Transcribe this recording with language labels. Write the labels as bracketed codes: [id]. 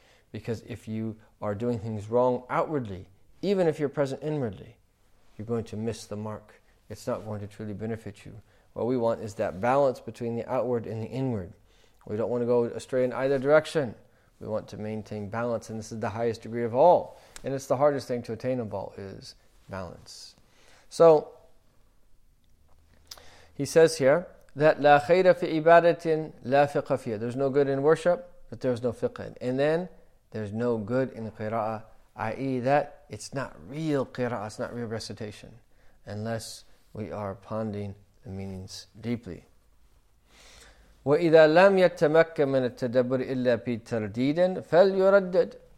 [en] Because if you are doing things wrong outwardly, even if you're present inwardly, you're going to miss the mark. It's not going to truly benefit you. What we want is that balance between the outward and the inward. We don't want to go astray in either direction. We want to maintain balance, and this is the highest degree of all. And it's the hardest thing to attain of all, is balance. So, he says here, that [ar] لَا خَيْرَ فِي عِبَادَةٍ لَا فِقْهَ فِيهَا. [en] There's no good in worship, but there's no fiqh. And then, there's no good in qira'ah, i.e. that it's not real qira'ah, it's not real recitation, unless we are pondering the meanings deeply. [ar] وَإِذَا لَمْ يَتَّمَكَّ مِنَ التَّدَبُّرِ إِلَّا بِتَرْدِيدٍ فَلْيُرَدَّدْ.